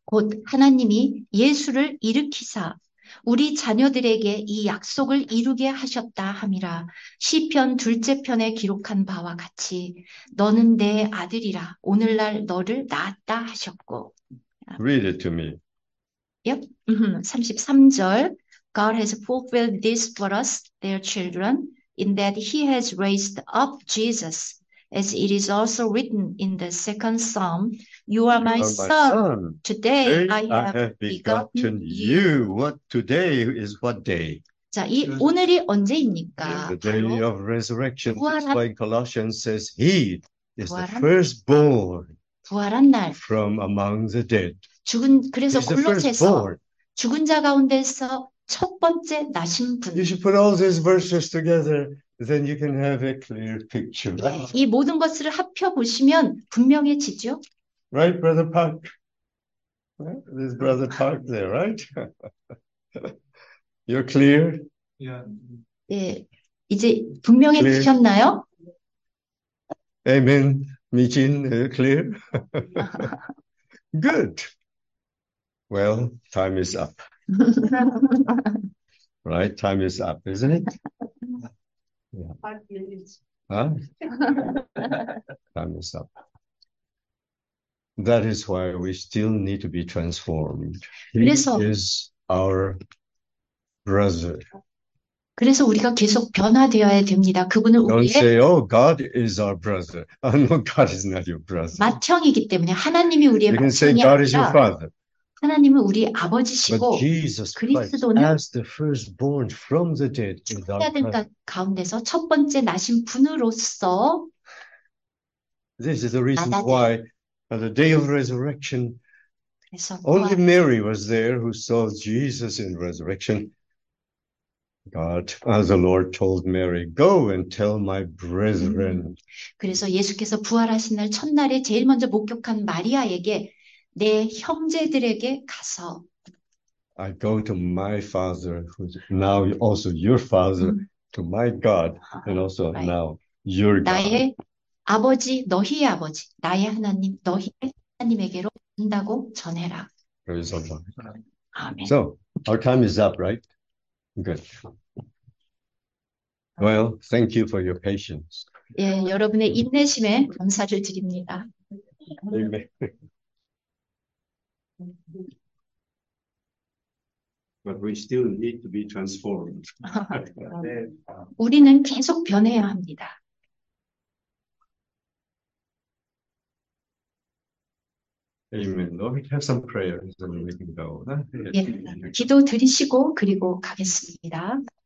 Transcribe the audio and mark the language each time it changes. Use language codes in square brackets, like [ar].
[ko] 곧 하나님이 예수를 일으키사 우리 자녀들에게 이 약속을 이루게 하셨다 함이라. 시편 둘째 편에 기록한 바와 같이 너는 내 아들이라 오늘날 너를 낳았다 하셨고. [en] Read it to me. [ko] Yep. 33절. [en] God has fulfilled this for us, their children, in that he has raised up Jesus, as it is also written in the second psalm, you are my son. Today I have begotten you. What today is what day? [ko] 자, 이 오늘이 언제입니까? [en] The day of resurrection. That's why Colossians says he is the [ko] 부활한 [en] firstborn [ko] 부활한 날. [en] From among the dead. [ko] 죽은 그래서 [en] He's the [ko] 골로새서 [en] firstborn. [ko] 죽은 자 가운데서 첫 번째 나신 분. [en] You should put all these verses together, then you can have a clear picture. [ko] 예, 이 모든 것을 합혀 보시면 분명해지죠. [en] Right, Brother Park. There's Brother Park there, right? You're clear? Yeah. [ko] 예, 이제 분명해지셨나요? [en] Amen. Mijin, clear? Good. Well, time is up. Right, time is up, isn't it? Yeah. Time is up. That is why we still need to be transformed. He is our brother. [ko] 그래서 우리가 계속 변화되어야 됩니다. 그분은 [en] Don't [ko] 우리의 [en] say, "Oh, God is our brother." No, God is not your brother. [ko] 맏형이기 때문에 하나님이 우리의 [en] You can say, [ko] 맏형이 [en] "God is your [ko] 아니라 [en] father." [ko] 하나님은 우리 [en] But [ko] 아버지시고 [en] Jesus Christ, [ko] 그리스도는 [en] as the firstborn from the dead, is our [ko] 죽은 자들 [en] brother. [ko] 가운데서 첫 번째 나신 분으로서 [en] This is the reason [ko] 나다니. [en] why on the day of resurrection, [ko] 그래서 [en] only [ko] 또한 [en] Mary was there who saw Jesus in resurrection. God, as the Lord told Mary, go and tell my brethren. 그래서 예수께서 부활하신 날 첫날에 제일 먼저 목격한 마리아에게 내 형제들에게 가서 I go to my father, who's now also your father, to my God, and also now your God. [ko] 나의 아버지, 너희의 아버지, 나의 하나님, 너희의 하나님에게로 온다고 전해라. 아멘. [en] So, our time is up, right? Good. Well, thank you for your patience. [ko] 예, 여러분의 인내심에 감사를 드립니다. 네. [en] But we still need to be transformed. [ko] 우리는 계속 변해야 합니다. 아멘. [en] Let me have some prayers and we can go. [ko] 예, 기도 드리시고 그리고 가겠습니다.